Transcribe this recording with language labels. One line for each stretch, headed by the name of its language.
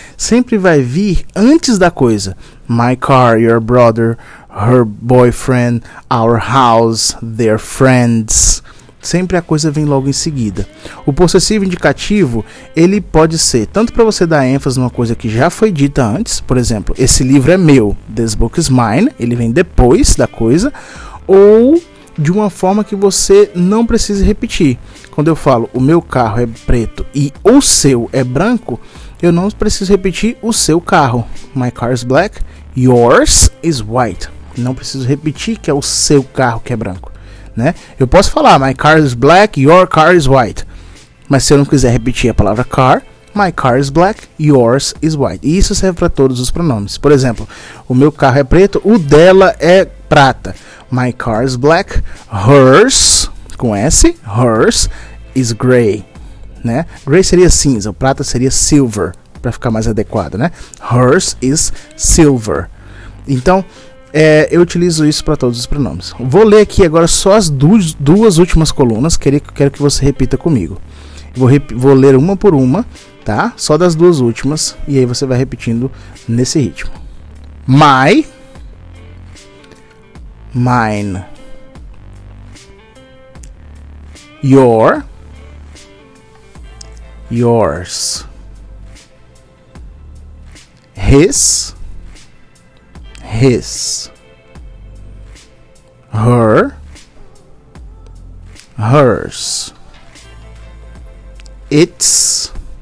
Portuguese: Sempre vai vir antes da coisa.
English: My car, your brother, her boyfriend, our house, their friends.
Portuguese: Sempre a coisa vem logo em seguida. O possessivo indicativo, ele pode ser tanto para você dar ênfase numa coisa que já foi dita antes, por exemplo, esse livro é meu,
English: this book is mine,
Portuguese: ele vem depois da coisa, ou de uma forma que você não precise repetir. Quando eu falo, o meu carro é preto e o seu é branco, eu não preciso repetir o seu carro.
English: My car is black, yours is white.
Portuguese: Não preciso repetir que é o seu carro que é branco, né? Eu posso falar,
English: my car is black, your car is white.
Portuguese: Mas se eu não quiser repetir a palavra car,
English: my car is black, yours is white.
Portuguese: E isso serve para todos os pronomes. Por exemplo, o meu carro é preto, o dela é prata.
English: My car is black, hers,
Portuguese: com S,
English: hers is gray.
Portuguese: Né? Gray seria cinza, o prata seria silver, para ficar mais adequado, né?
English: Hers is silver.
Portuguese: Então, eu utilizo isso para todos os pronomes. Vou ler aqui agora só as duas últimas colunas, quero que você repita comigo. Vou ler uma por uma, tá? Só das duas últimas, e aí você vai repetindo nesse ritmo.
English: My, mine, your, yours, his, her, hers, its,